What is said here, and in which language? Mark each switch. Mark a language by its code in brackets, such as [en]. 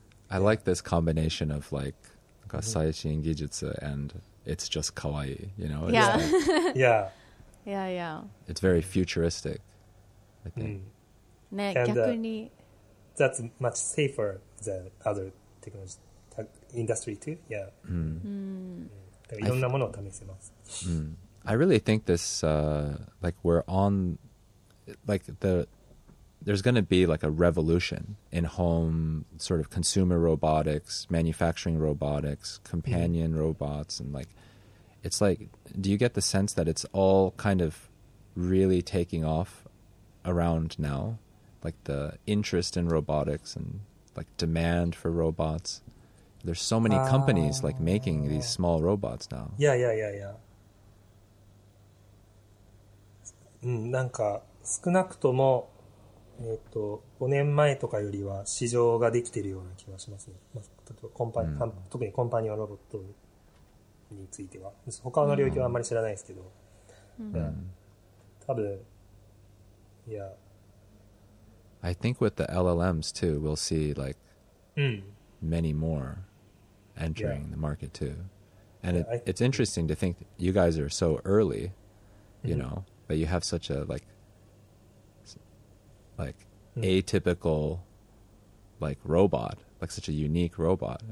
[en] I like this combination of like [ja] なんか最新技術 [en] and it's just 可愛い、 you know? Yeah. Like, yeah. Yeah, yeah. It's very futuristic, I think. [ja] ね、and, 逆に [en] That's much safer than other technology industry too. Yeah. [ja] いろんなものを試せます。 [en] I really think this, like we're on, like there's going to be like a revolution in home sort of consumer robotics, manufacturing robotics, companion robots, and like, it's like, do you get the sense that it's all kind of really taking off around now? Like the interest in robotics and like demand for robots. There's so many companies like making these small robots now. Yeah, yeah, yeah, yeah. [ja] なんか少なくとも5年前とかよりは市場ができてるような気がしますね。まあ、例えばコンパ、特にコンパニオンロボットについては。他の領域はあんまり知らないですけど。多分、いや、 [en] I think with the LLMs too, we'll see like many more entering the market too. And it's interesting to think that you guys are so early, you know, but you have such a like atypical like robot, like such a unique robot.